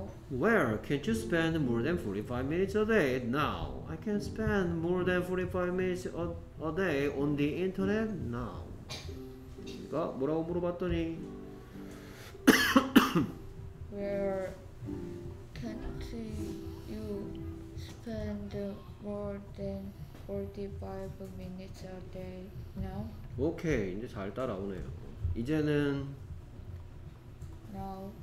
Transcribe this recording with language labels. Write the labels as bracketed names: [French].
[English] Where can't you spend more than 45 minutes a day? Now I can spend more than 45 minutes a day on the internet now. [Korean] 그러니까 뭐라고 물어봤더니 [English] Where can't you spend more than 45 minutes a day now? [Korean] 오케이. 이제 잘 따라오네요. 이제는 [English] Now